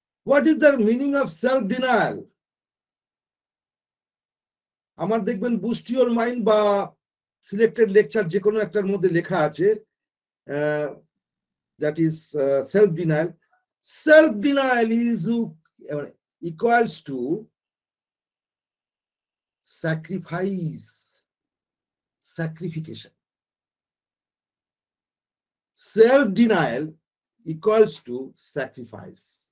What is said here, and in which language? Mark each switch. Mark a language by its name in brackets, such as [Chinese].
[English] What is the meaning of self-denial? [Bangla] আমার দেখবেন boost your mind বা সিলেক্টেড লেকচার যে কোনো একটার মধ্যে লেখা আছে, [English] That is self-denial. Self-denial is equals to sacrifice, sacrification. Self-denial equals to sacrifice.